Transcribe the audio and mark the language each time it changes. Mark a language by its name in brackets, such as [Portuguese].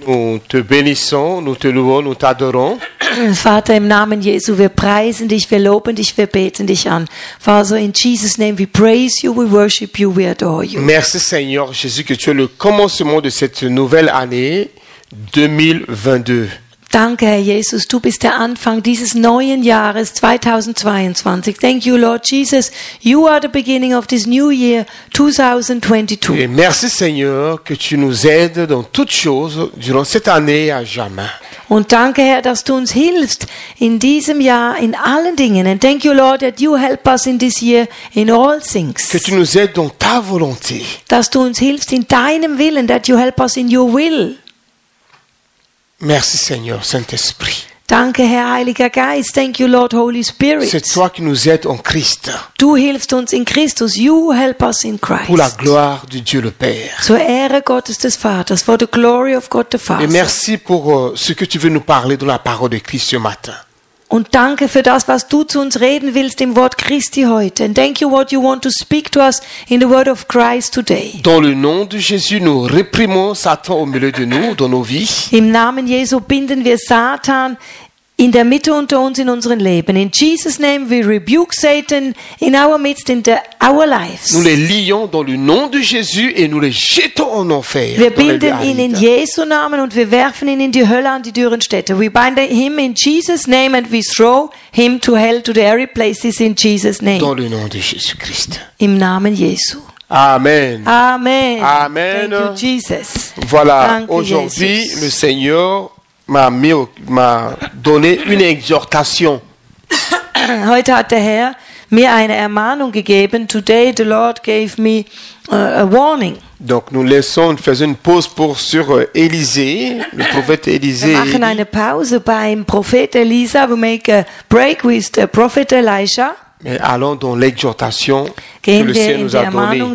[French] nous te bénissons, nous te louons, nous t'adorons. [German] Vater, im Namen Jesu, wir preisen dich, wir loben dich, wir beten dich an. [English] Father, in Jesus' name, we praise you, we worship you, we adore you. [French] Merci Seigneur Jésus que tu es le commencement de cette nouvelle année 2022. [German] Danke, Herr Jesus, du bist der Anfang dieses neuen Jahres 2022. [English] Thank you, Lord Jesus, you are the beginning of this new year 2022. [French] Et merci, Seigneur, que tu nous aides dans toutes choses durant cette année à jamais. [German] Und danke, Herr, dass du uns hilfst in diesem Jahr in allen Dingen. [English] And thank you, Lord, that you help us in this year in all things. [French] Que tu nous aides dans ta volonté. [German] Dass du uns hilfst in deinem Willen, [English] that you help us in your will. [French] Merci Seigneur, Saint-Esprit. [German] Danke Herr Heiliger Geist. [English] Thank you Lord Holy Spirit. [French] C'est toi qui nous aides en Christ. [German] Du hilfst uns in Christus. [English] You help us in Christ. [French] Pour la gloire de Dieu le Père. [German] Zur Ehre Gottes des Vaters. [English] For the glory of God the Father. [French] Et merci pour ce que tu veux nous parler dans la parole de Christ ce matin. [German] Und danke für das, was du zu uns reden willst im Wort Christi heute. [English] And thank you what you want to speak to us in the word of Christ today. [French] Dans le nom de Jésus, nous réprimons Satan au milieu de nous, dans nos vies. [German] Im Namen Jesu binden wir Satan in der Mitte unter uns in unseren Leben. [English] In Jesus name we rebuke Satan in our midst in the, our lives. [French] Nous les lions dans le nom de Jésus et nous les jetons en enfer. [German] Wir binden ihn in Jesu Namen und wir werfen ihn in die Hölle an die dürren Städte. [English] We bind him in Jesus name and we throw him to hell to the airy places in Jesus name. [French] Dans le nom de Jésus Christ. [German] Im Namen Jesu. Amen. Amen. Amen. [English] Thank you Jesus. [French] Voilà. Danke, aujourd'hui Jesus. Le Seigneur m'a donné une exhortation. [German] Heute hat der Herr mir eine Ermahnung gegeben. [English] Today the Lord gave me a warning. [French] Donc nous laissons, nous faisons une pause pour sur Élisée, le prophète Élisée. [German] Wir machen eine Pause beim Prophet Elisa. [English] We make a break with the prophet Elisha. [French] Mais allons dans l'exhortation que le Seigneur nous a donnée,